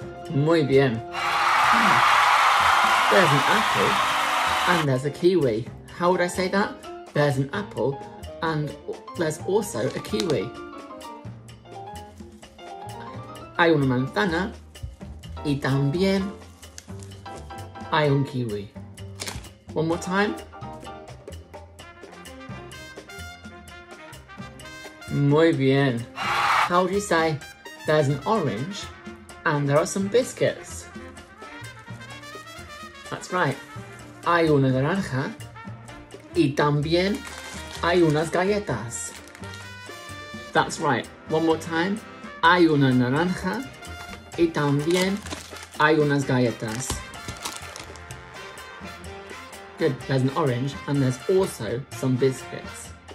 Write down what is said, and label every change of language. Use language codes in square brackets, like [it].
[es] Muy bien. [en] There's an apple and there's a kiwi. How would I say that? There's an apple and there's also a kiwi. [es] Hay una manzana y también hay un kiwi. [en] One more time. [es] Muy bien. [en] How would you say there's an orange and there are some biscuits? That's right. [es] Hay una naranja y también hay unas galletas. [en] That's right. One more time. [es] Hay una naranja y también hay unas galletas. [en] Good. There's an orange and there's also some biscuits.